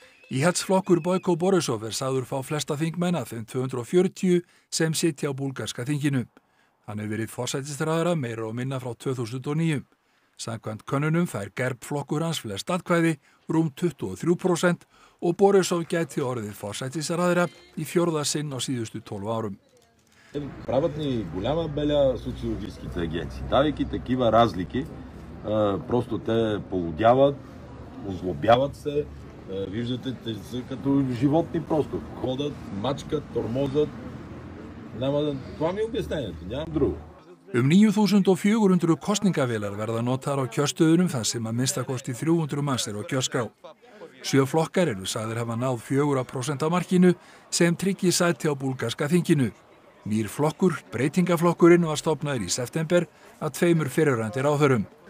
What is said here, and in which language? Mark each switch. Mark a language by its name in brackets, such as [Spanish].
[Icelandic] Íhaldsflokkur Boyko Borisov er sagður fá flesta þingmenn af þeim 240 sem sitja á búlgarska þinginu. Hann hefur verið forsætisráðherra meira og minna frá 2009. Samkvæmt könnunum fær Gerb flokkur hans flest atkvæði rúm 23% og Borisov gæti orðið forsætisráðherra í fjórða sinn á síðustu 12 árum. [Bulgarian] Правотни голяма беля социологическите агенции, давайки такива разлики, просто те полудяват, озлобяват се, виждате, те са като животни просто, ходят, мачкат, тормозят, няма да... Това ми е обяснението, нямам друго. [Icelandic] 9400 kosningavélar verða notaðar á kjörstöðunum þar sem að minnstakosti 300 manns eru á kjörskrá. Sjö flokkar eru sagðir hafa náð 4% á markinu sem tryggi sæti á búlgarska þinginu. Nýr flokkur, breytingaflokkurinn, var stofnaður í september að tveimur fyrirrandi ráðherrum.